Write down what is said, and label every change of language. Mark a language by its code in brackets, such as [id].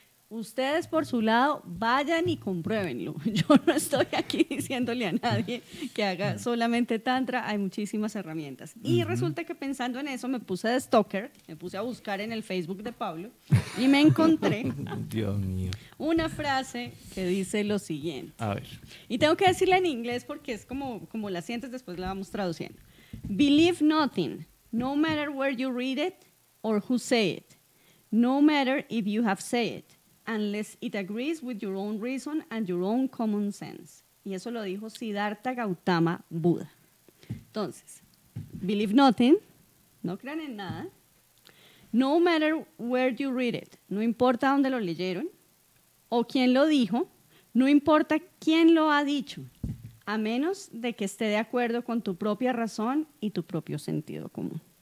[es] Ustedes por su lado vayan y compruébenlo. Yo no estoy aquí diciéndole a nadie que haga solamente tantra, hay muchísimas herramientas. Y resulta que pensando en eso me puse de stalker, me puse a buscar en el Facebook de Pablo y me encontré Dios mío. Una frase que dice lo siguiente. A ver. Y tengo que decirla en inglés porque es como la sientes, después la vamos traduciendo. [en] Believe nothing, no matter where you read it or who say it, no matter if you have said it, unless it agrees with your own reason and your own common sense. [es] Y eso lo dijo Siddhartha Gautama, Buda. Entonces, [en] believe nothing, [es] no crean en nada, [en] no matter where you read it, [es] no importa dónde lo leyeron, o quién lo dijo, no importa quién lo ha dicho, a menos de que esté de acuerdo con tu propia razón y tu propio sentido común.